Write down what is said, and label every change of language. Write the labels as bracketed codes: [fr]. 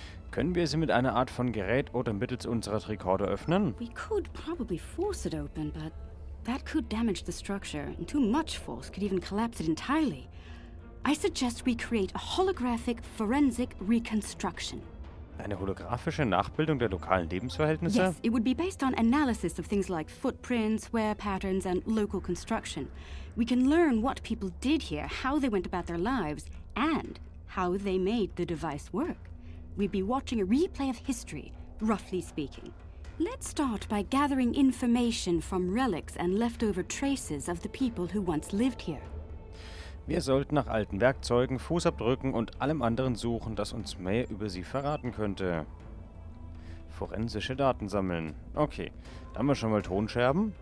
[de] Können wir sie mit einer Art von Gerät oder mittels unserer Tricorder öffnen? [en] We could probably force it open, but that could damage the structure, and too much force could even collapse it entirely. I suggest we create a holographic forensic reconstruction. [de] Eine holographische Nachbildung der lokalen Lebensverhältnisse? [en] Yes, it would be based on analysis of things like footprints, wear patterns and local construction. We can learn what people did here, how they went about their lives, and how they made the device work. We'd be watching a replay of history, roughly speaking. Let's start by gathering information from relics and leftover traces of the people who once lived here. [de] Wir sollten nach alten Werkzeugen, Fußabdrücken und allem anderen suchen, das uns mehr über sie verraten könnte. Forensische Daten sammeln. Okay, da haben wir schon mal Tonscherben.